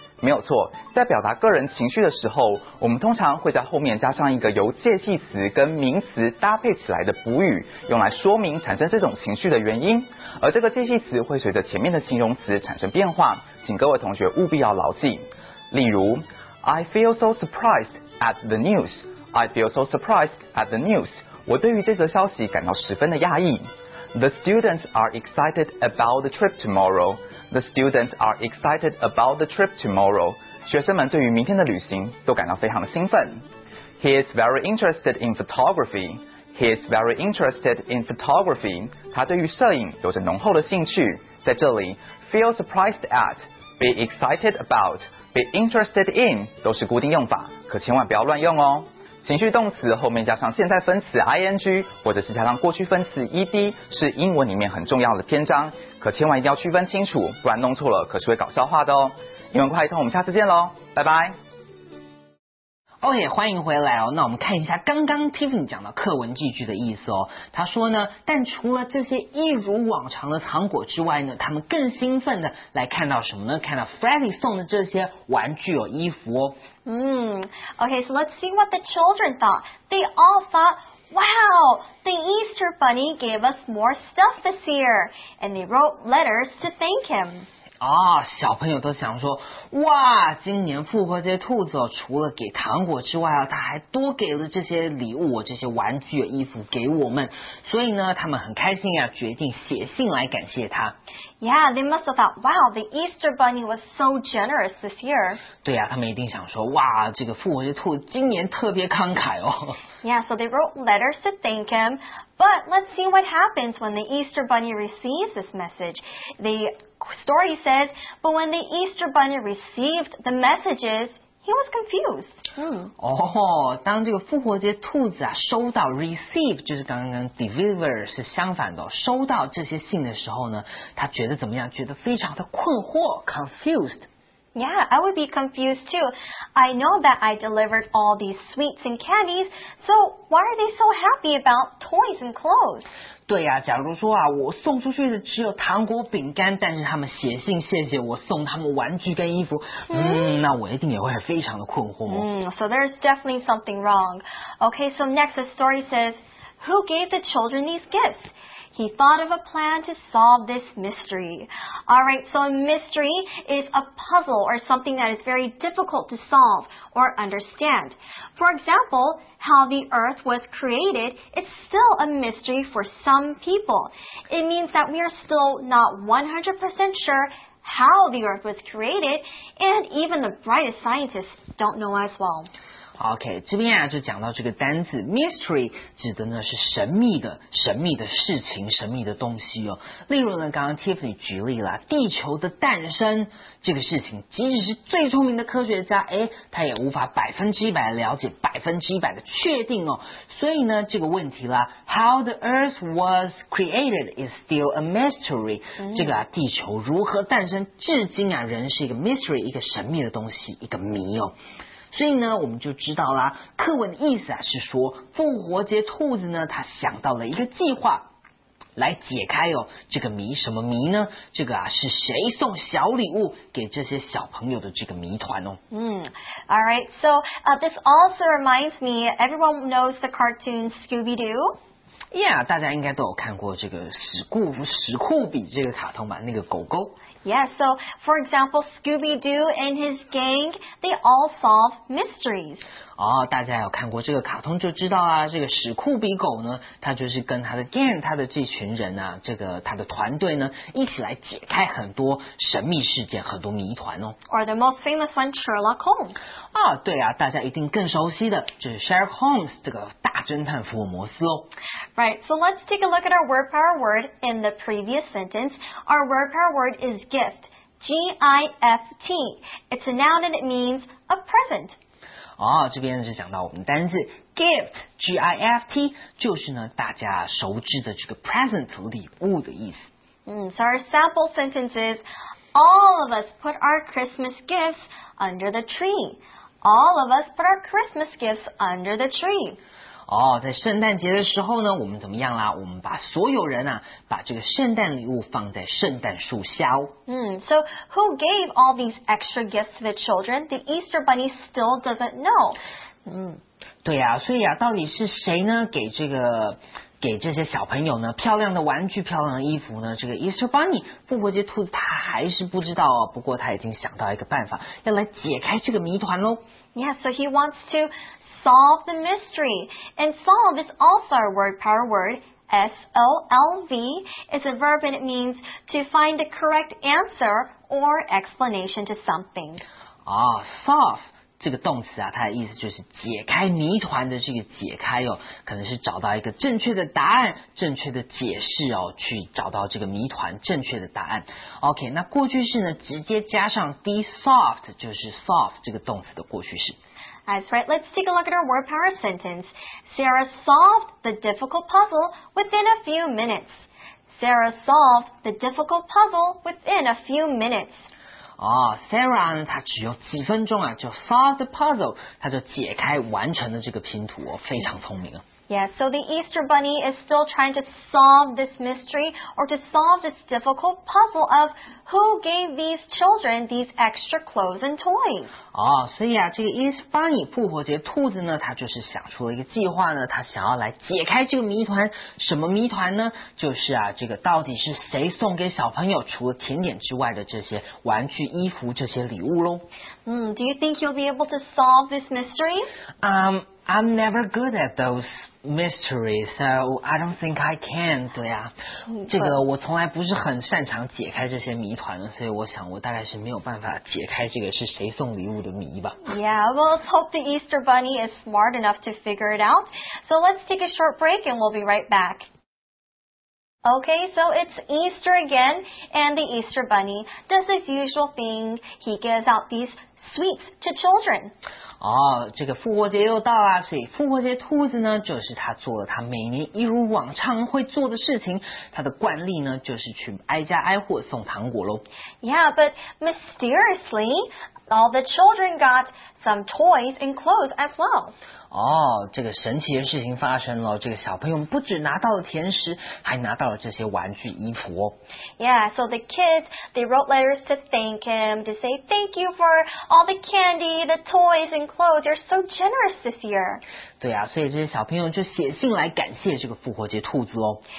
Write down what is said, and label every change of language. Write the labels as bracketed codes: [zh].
[zh] 没有错，在表达个人情绪的时候，我们通常会在后面加上一个由介系词跟名词搭配起来的补语，用来说明产生这种情绪的原因。而这个介系词会随着前面的形容词产生变化，请各位同学务必要牢记。例如 [en] I feel so surprised at the news. I feel so surprised at the news. [zh] 我对于这则消息感到十分的讶异。 [en] The students are excited about the trip tomorrow. The students are excited about the trip tomorrow. [zh] 学生们对于明天的旅行都感到非常的兴奋。 [en] He is very interested in photography. He is very interested in photography. [zh] 他对于摄影有着浓厚的兴趣。在这里 ， [en] feel surprised at, be excited about, be interested in [zh] 都是固定用法，可千万不要乱用哦。情绪动词后面加上现在分词 ing， 或者是加上过去分词 ed， 是英文里面很重要的篇章，可千万一定要区分清楚，不然弄错了可是会搞笑话的哦。英文快一通，我们下次见喽，拜拜。 OK， 欢迎回来哦。那我们看一下刚刚 Tiffany 讲的课文句句的意思哦。他说呢，但除了这些一如往常的糖果之外呢，他们更兴奋的来看到什么呢？看到 Freddy 送的这些玩具哦，衣服哦。 [en] Okay, so let's see what the children thought. They all thought, wow, the Easter Bunny gave us more stuff this year. And they wrote letters to thank him. [zh] 啊，小朋友都想说，哇，今年复活节兔子哦，除了给糖果之外啊，他还多给了这些礼物，这些玩具、衣服给我们。所以呢，他们很开心啊，决定写信来感谢他。 [en] Yeah, they must have thought, wow, the Easter Bunny was so generous this year. [zh] 对啊，他们一定想说，哇，这个复活节兔子今年特别慷慨哦。 [en] Yeah, so they wrote letters to thank him. But let's see what happens when the Easter Bunny receives this message. The story says, but when the Easter Bunny received the messages, he was confused. [zh] Oh, 当这个复活节兔子啊收到 receive 就是刚刚跟 deliver 是相反的、哦、收到这些信的时候呢，他觉得怎么样？觉得非常的困惑 confused. [en] Yeah, I would be confused too. I know that I delivered all these sweets and candies, so why are they so happy about toys and clothes? [zh] 对啊，假如说啊，我送出去的只有糖果、饼干，但是他们写信谢谢我，送他们玩具跟衣服，那我一定也会非常的困惑。 [en] So there's definitely something wrong. Okay, so next the story says, who gave the children these gifts? He thought of a plan to solve this mystery. All right, so a mystery is a puzzle or something that is very difficult to solve or understand. For example, how the earth was created, it's still a mystery for some people. It means that we are still not 100% sure how the earth was created, and even the brightest scientists don't know as well. [zh] OK, 这边啊就讲到这个单字 mystery 指的呢是神秘的神秘的事情神秘的东西哦。例如呢刚刚 Tiffany 举例了地球的诞生这个事情即使是最聪明的科学家诶他也无法百分之一百了解百分之一百的确定哦。所以呢这个问题啦 [en] how the earth was created is still a mystery.、 [zh] 这个啊地球如何诞生至今啊仍是一个 mystery, 一个神秘的东西一个谜哦。所以呢我们就知道啦课文的意思啊是说复活节兔子呢他想到了一个计划来解开哦这个谜什么谜呢这个啊是谁送小礼物给这些小朋友的这个谜团哦。 [en] Alright, so, this also reminds me, everyone knows the cartoon Scooby-Doo? [zh] Yeah, 大家应该都有看过这个史酷比这个卡通吧那个狗狗。 [en] Yeah, so for example, Scooby-Doo and his gang, they all solve mysteries. [zh] 哦大家有看过这个卡通就知道啊这个史酷比狗呢他就是跟他的 gang, 他的这群人啊这个他的团队呢一起来解开很多神秘事件很多谜团哦。 [en] Or the most famous one, Sherlock Holmes. [zh] 啊对啊大家一定更熟悉的就是 Sherlock Holmes, 这个大侦探福尔摩斯哦。 [en] Right, so let's take a look at our word power word in the previous sentence. Our word power word is gift, G-I-F-T. It's a noun and it means a present. [zh] 哦，这边是讲到我们单字 gift, G-I-F-T, 就是呢大家熟知的这个 present 礼物的意思。 [en] So our sample sentence is, all of us put our Christmas gifts under the tree. All of us put our Christmas gifts under the tree. [zh] 哦，在圣诞节的时候呢，我们怎么样啦？我们把所有人啊，把这个圣诞礼物放在圣诞树下哦。 [en] So who gave all these extra gifts to the children? The Easter Bunny still doesn't know. [zh] 对啊，所以啊，到底是谁呢？给这些小朋友呢漂亮的玩具漂亮的衣服呢，这个 Easter Bunny 复活节兔子他还是不知道哦，不过他已经想到一个办法要来解开这个谜团咯。 [en] Yeah, so he wants to solve the mystery. And solve is also our word power word, S-O-L-V. It's a verb and it means to find the correct answer or explanation to something. Oh, solve. [zh] 这个动词啊，它的意思就是解开谜团的这个解开哦，可能是找到一个正确的答案，正确的解释哦，去找到这个谜团正确的答案。 OK, 那过去式呢，直接加上 de-solved, 就是 solve 这个动词的过去式。 [en] That's right, let's take a look at our word power sentence. Sarah solved the difficult puzzle within a few minutes. Sarah solved the difficult puzzle within a few minutes. [zh] 哦、Sarah 呢，她只有几分钟啊，就 [en] solve the puzzle, [zh] 她就解开完成了这个拼图、哦、非常聪明啊。 [en] Yeah, so the Easter Bunny is still trying to solve this mystery or to solve this difficult puzzle of who gave these children these extra clothes and toys. [zh] 哦，所以啊，这个 Easter Bunny 复活节兔子呢，他就是想出了一个计划呢，他想要来解开这个谜团。什么谜团呢？就是啊，这个到底是谁送给小朋友除了甜点之外的这些玩具、衣服这些礼物咯？ [en] Do you think you'll be able to solve this mystery? I'm never good at those mysteries, so I don't think I can. [zh] 对啊，这个我从来不是很擅长解开这些谜团的，所以我想我大概是没有办法解开这个是谁送礼物的谜吧。 [en] Yeah, well, let's hope the Easter Bunny is smart enough to figure it out. So let's take a short break and we'll be right back. Okay, so it's Easter again, and the Easter Bunny does his usual thing. He gives out these sweets to children. [zh] 哦，这个复活节又到啦，所以复活节兔子呢，就是他做了他每年一如往常会做的事情，他的惯例呢，就是去挨家挨户送糖果咯。 [en] Yeah, but mysteriously, all the children got some toys and clothes as well. [zh] 哦，这个神奇的事情发生了，这个小朋友不只拿到了甜食，还拿到了这些玩具衣服哦。 [en] Yeah, so the kids, they wrote letters to thank him, to say thank you for all the candy, the toys and clothes. You're so generous this year. [zh] 对啊，所以这些小朋友就写信来感谢这个复活节兔子哦。